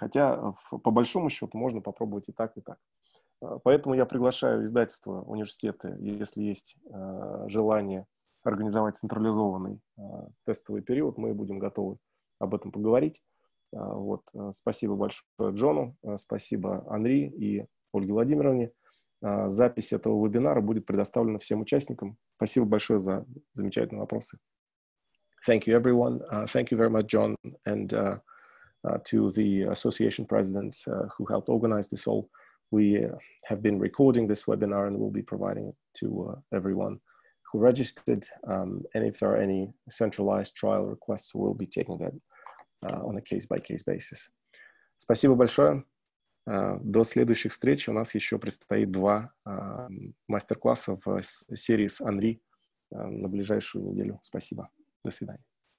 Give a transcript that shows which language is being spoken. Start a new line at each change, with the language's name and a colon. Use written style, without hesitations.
Russian: Хотя, по большому счету, можно попробовать и так, и так. Поэтому я приглашаю издательства, университеты, если есть желание организовать централизованный тестовый период, мы будем готовы об этом поговорить. Вот. Спасибо большое Джону, спасибо Анри и Ольге Владимировне. Запись этого вебинара будет предоставлена всем участникам. Спасибо большое за замечательные вопросы.
English: Thank you, everyone. Thank you very much, John, and to the association president who helped organize this all. We have been recording this webinar and will be providing it to everyone who registered. And if there are any centralized trial requests, we'll be taking that on a case-by-case basis.
Russian: Спасибо большое. До следующих встреч. У нас еще предстоит два мастер-класса в серии с Анри на ближайшую неделю. Спасибо. До свидания.